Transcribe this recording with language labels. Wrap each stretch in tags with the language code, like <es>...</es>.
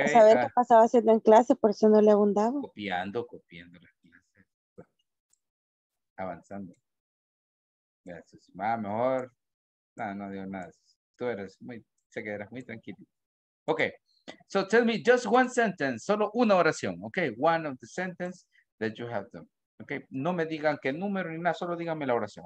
<es>A saber qué pasaba haciendo en clase, por eso no le abundaba. Copiando las clases. Avanzando. Gracias. Más, mejor. No digo nada. Tú eres muy, sé que eras muy tranquilo. Ok.</es> <en>So tell me just one sentence,</en> <es>solo una oración. Ok.</es> <en>One of the sentences that you have done. Ok.</en> <es>No me digan qué número ni nada, solo díganme la oración.</es>